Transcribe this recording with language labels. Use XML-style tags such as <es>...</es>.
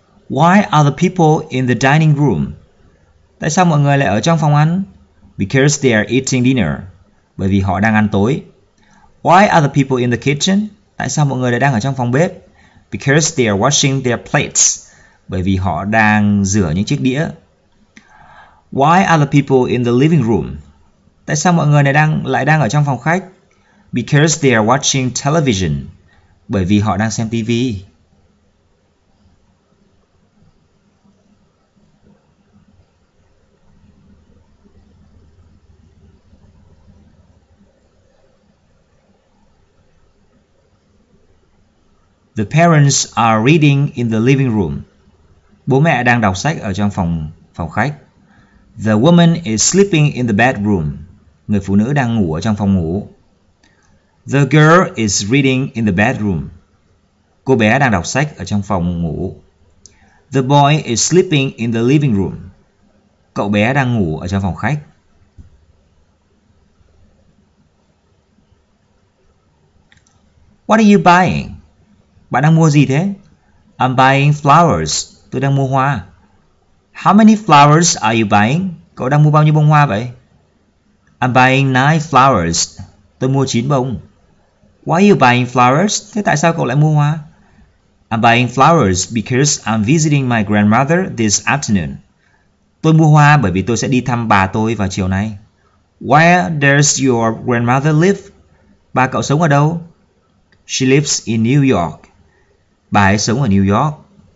<en>Why are the people in the dining room?</en> <vi>Tại sao mọi người lại ở trong phòng ăn?</vi> <en>Because they are eating dinner.</en> <vi>Bởi vì họ đang ăn tối.</vi> <en>Why are the people in the kitchen?</en> <vi>Tại sao mọi người lại đang ở trong phòng bếp?</vi> <en>Because they are washing their plates.</en> <vi>Bởi vì họ đang rửa những chiếc đĩa.</vi> <en>Why are the people in the living room?</en> <vi>Tại sao mọi người lại đang ở trong phòng khách?</vi> <en>Because they are watching television.</en> <vi>Bởi vì họ đang xem TV.</vi> <en>The parents are reading in the living room.</en> <vi>Bố mẹ đang đọc sách ở trong phòng khách.</vi> <en>The woman is sleeping in the bedroom.</en> <vi>Người phụ nữ đang ngủ ở trong phòng ngủ.</vi> <en>The girl is reading in the bedroom.</en> <vi>Cô bé đang đọc sách ở trong phòng ngủ.</vi> <en>The boy is sleeping in the living room.</en> <vi>Cậu bé đang ngủ ở trong phòng khách.</vi> <en>What are you buying?</en> <vi>Bạn đang mua gì thế?</vi> <en>I'm buying flowers.</en> <vi>Tôi đang mua hoa.</vi> <en>How many flowers are you buying?</en> <vi>Cậu đang mua bao nhiêu bông hoa vậy?</vi> <en>I'm buying 9 flowers.</en> <vi>Tôi mua 9 bông.</vi> <en>Why are you buying flowers?</en> <vi>Thế tại sao cậu lại mua hoa?</vi> <en>I'm buying flowers because I'm visiting my grandmother this afternoon.</en> <vi>Tôi mua hoa bởi vì tôi sẽ đi thăm bà tôi vào chiều nay.</vi> <en>Where does your grandmother live?</en> <vi>Bà cậu sống ở đâu?</vi> <en>She lives in New York.</en> <vi>Bà ấy sống ở New York.</vi>